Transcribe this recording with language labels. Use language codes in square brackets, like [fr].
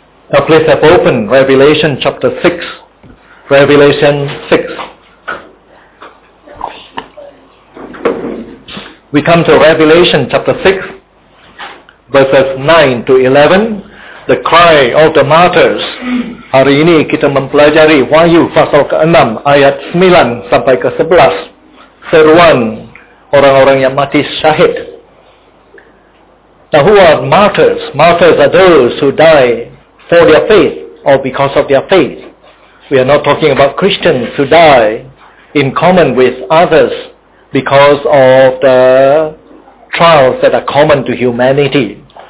[en] Now please have open Revelation chapter 6. Revelation 6. We come to Revelation chapter 6, verses 9 to 11, the cry of the martyrs. [id] Hari ini kita mempelajari Wahyu pasal ke-6 ayat 9 sampai ke-11, seruan orang-orang yang mati syahid. [en] Now who are martyrs? Martyrs are those who die for their faith or because of their faith. We are not talking about Christians who die in common with others because of the trials that are common to humanity.